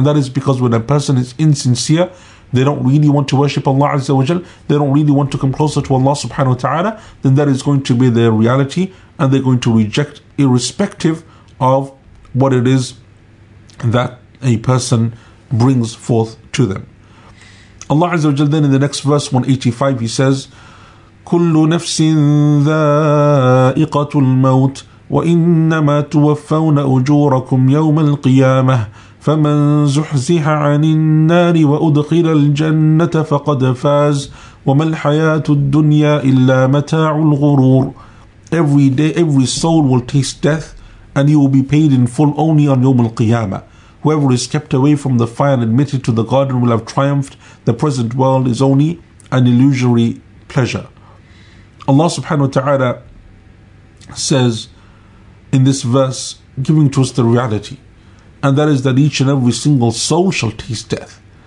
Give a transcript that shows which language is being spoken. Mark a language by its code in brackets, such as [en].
[en] And that is because when a person is insincere, they don't really want to worship Allah Azza wa Jal, they don't really want to come closer to Allah subhanahu wa ta'ala, then that is going to be their reality, and they're going to reject irrespective of what it is that a person brings forth to them. Allah Azza wa Jal then in the next verse 185, he says, [ar] كُلُّ نَفْسٍ ذَائِقَةُ الْمَوْتِ وَإِنَّمَا تُوَفَّوْنَ أُجُورَكُمْ يَوْمَ الْقِيَامَةِ فَمَنْ زُحْزِحَ عَنِ النَّارِ وَأُدْخِلَ الْجَنَّةَ فَقَدْ فَازَ وَمَا الْحَيَاةُ الدُّنْيَا إِلَّا مَتَاعُ الْغُرُورِ. [en] Every day, every soul will taste death, and he will be paid in full only on Yawm al-Qiyamah. Whoever is kept away from the fire and admitted to the garden will have triumphed. The present world is only an illusory pleasure. Allah subhanahu wa ta'ala says in this verse, giving to us the reality, and that is that each and every single soul shall taste death.